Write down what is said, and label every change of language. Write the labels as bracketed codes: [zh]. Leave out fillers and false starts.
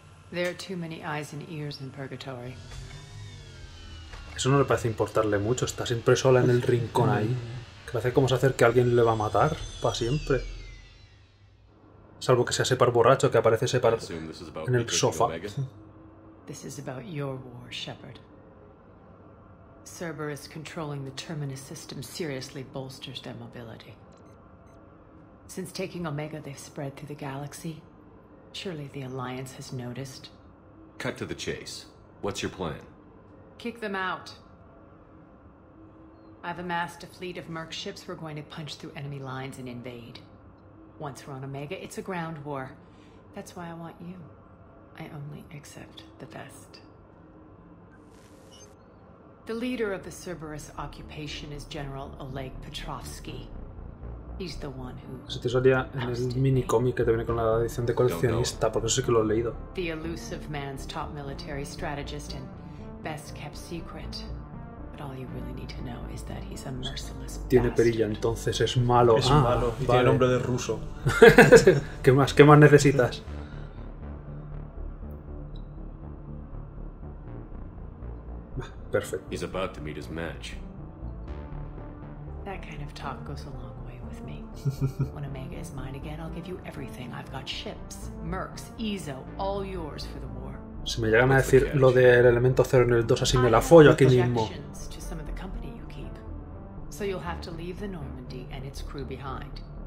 [en] There are too many eyes and ears in purgatory. [es] Eso no le parece importarle mucho, está siempre sola en el rincón ahí. Que parece como se hace que alguien le va a matar, para siempre. Salvo que sea Separ borracho, que aparece Separ en el sofá. [en] This is about your war, Shepard. Cerberus controlling the Terminus system seriously bolsters their mobility. Since taking Omega, they've spread through the galaxy. Surely the Alliance has noticed. Cut to the chase. What's your plan? Kick them out. I've amassed a fleet of Merc ships. We're going to punch through enemy lines and invade. Once we're on Omega, it's a ground war. That's why I want you. I only accept the best. The leader of the Cerberus occupation is General Oleg Petrovsky. He's the one who. [es] Se te salía en el mini cómic que te viene con la edición de coleccionista, porque eso sí que lo he leído. [en] The elusive man's top military strategist and best kept secret. But all you really need to know is that he's a merciless. [es] Tiene perilla, entonces es malo. Es malo, y vale. Tiene nombre de ruso. qué más necesitas? [en] Perfect. He's about to meet his match. That kind of talk goes a long way with me. When Omega is mine again, I'll give you everything. I've got ships, mercs, Izo, all yours for the war. [es] Si me llegan a decir lo del elemento cero en el 2, así me la follo aquí mismo. [en] To some of the company you keep. So you'll have to leave the Normandy and its crew behind.